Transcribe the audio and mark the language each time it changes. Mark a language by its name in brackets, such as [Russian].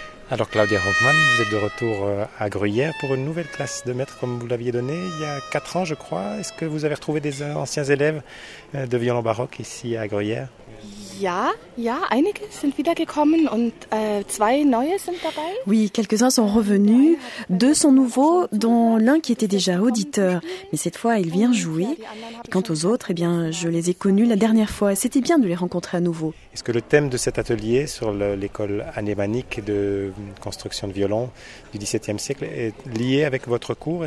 [French] Alors Claudia Hoffmann, vous êtes de retour à Gruyère pour une nouvelle classe de maître comme vous l'aviez donnée il y a 4 ans je crois. Est-ce que vous avez retrouvé des anciens élèves de violon baroque ici à Gruyère? [German] Ja, einige sind wiedergekommen und zwei neue sind dabei. [French] Oui, quelques-uns sont revenus, deux sont nouveaux, dont l'un qui était déjà auditeur, mais cette fois il vient jouer. Et quant aux autres, eh bien, je les ai connus la dernière fois, c'était bien de les rencontrer à nouveau. Est-ce que le thème de cet atelier sur l'école anémanique de construction de violon du XVIIe siècle est lié avec votre cours?